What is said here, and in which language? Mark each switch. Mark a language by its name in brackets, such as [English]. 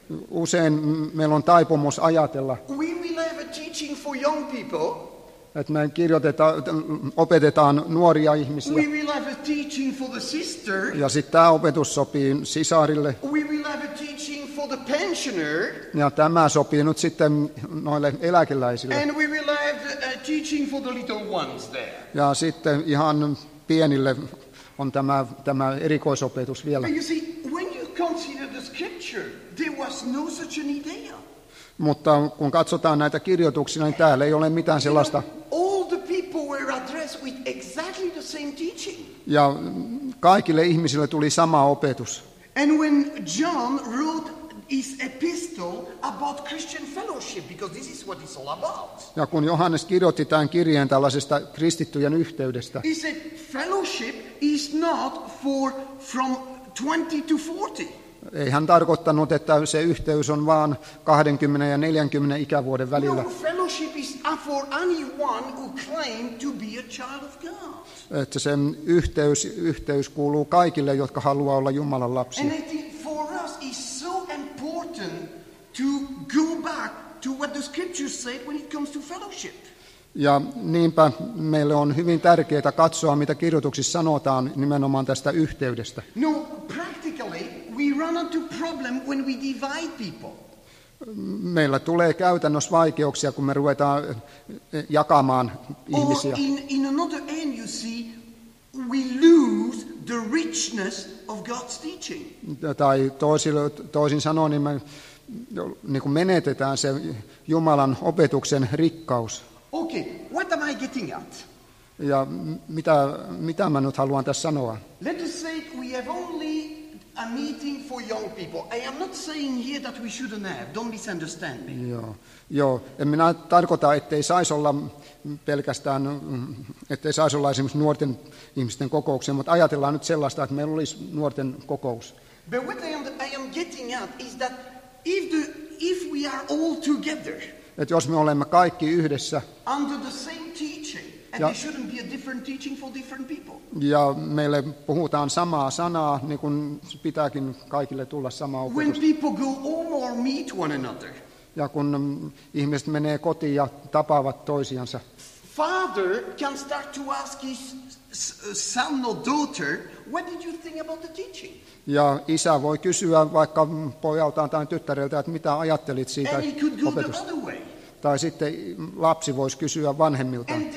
[Finnish] Usein meillä on taipumus ajatella. [English] We will have a teaching for young people. [Finnish] Että me opetetaan nuoria ihmisiä. [English] We will have a teaching for the sister. [Finnish] Ja sitten tämä opetus sopii sisarille. [English] We will have a teaching for the pensioner. [Finnish] Ja tämä sopii nyt sitten noille eläkeläisille. [English] And we will have a teaching for the little ones there. [Finnish] Ja sitten ihan pienille on tämä erikoisopetus vielä. [English] But you see, when you consider the scripture, there was no such an idea. [Finnish] Mutta kun katsotaan näitä kirjoituksia, niin täällä ei ole mitään sellaista. [English] All the people were addressed with exactly the same teaching. [Finnish] Ja kaikille ihmisille tuli sama opetus. [English] And when John wrote his epistle about Christian fellowship, because this is what it's all about. [Finnish] Ja kun Johannes kirjoitti tämän kirjeen tällaisesta kristittyjen yhteydestä. [English] He said fellowship is not for from 20 to 40. [Finnish] Ei hän tarkoittanut, että se yhteys on vain 20 ja 40 ikävuoden välillä. [English] No, fellowship is for anyone who claims to be a child of God. [Finnish] Että sen yhteys kuuluu kaikille, jotka haluaa olla Jumalan lapsi. [English] And I think for us it's so important to go back to what the scriptures said when it comes to fellowship. [Finnish] Ja niinpä meille on hyvin tärkeää katsoa, mitä kirjoituksissa sanotaan nimenomaan tästä yhteydestä. [English] No, practically we run into problem when we divide people. [Finnish] Meillä tulee käytännössä vaikeuksia, kun me ruvetaan jakamaan ihmisiä. [English] Or in another end, you see, we lose the richness of God's teaching. [Finnish] Tai toisin sanoen, niin me niin kuin menetetään se Jumalan opetuksen rikkaus. [English] Okay, what am I getting at? [Finnish] Ja mitä mä nyt haluan tässä sanoa? [English] Let us say we have only a meeting for young people. I am not saying here that we shouldn't have. Don't misunderstand me. [Finnish] Joo. En minä tarkoita, ettei saisi olla pelkästään, ettei saisi olla esimerkiksi nuorten ihmisten kokouksia, mutta ajatellaan nyt sellaista, että meillä olisi nuorten kokous. [English] But what I am getting at is that if we are all together, [Finnish] että jos me olemme kaikki yhdessä, [English] under the same teaching, and there shouldn't be a different teaching for different people. [Finnish] Ja meille puhutaan samaa sanaa, niin kuin pitääkin kaikille tulla sama opetus. [English] When people go home or meet one another. [Finnish] Ja kun ihmiset menee kotiin ja tapaavat toisiansa. [English] Father can start to ask his son or daughter, what did you think about the teaching? [Finnish] Ja isä voi kysyä vaikka pojaltaan tai tyttäreltä, että mitä ajattelit siitä opetusta. Tai sitten lapsi voisi kysyä vanhemmilta.